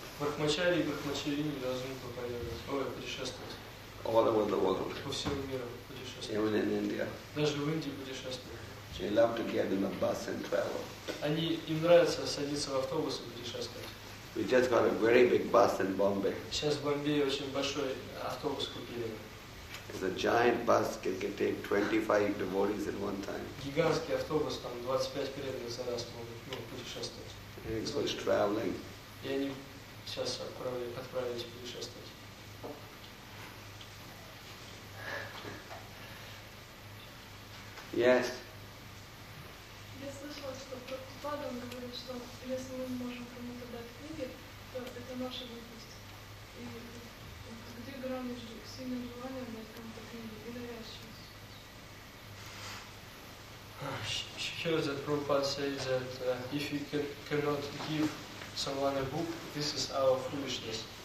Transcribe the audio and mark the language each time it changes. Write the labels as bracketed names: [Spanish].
[Russian] Брахмачари и брахмачарини должны путешествовать. [English] All over the world. [Russian] По всему миру путешествовать. [English] Even in India. [Russian] Даже в Индии путешествовать. [English] They love to get in a bus and travel. [Russian] Они им нравится садиться в автобус и путешествовать. [English] We just got a very big bus in Bombay. [Russian] Сейчас в Бомбее очень большой автобус купили. [English] It's a giant bus that can take 25 devotees at one time. [Russian] Гигантский автобус там 25 преданных за раз могут путешествовать. [English] It was traveling. [Russian] Сейчас отправляйте путешествовать. [English] Yes. [Russian] Я слышала, что Прабхупада говорит, что если мы можем кому-то дать книги, то это наша глупость. И где грань между сильным желанием дать кому-то книги и навязчивостью? [English] She hears that Prabhupada says that if you cannot give someone a book, this is our foolishness.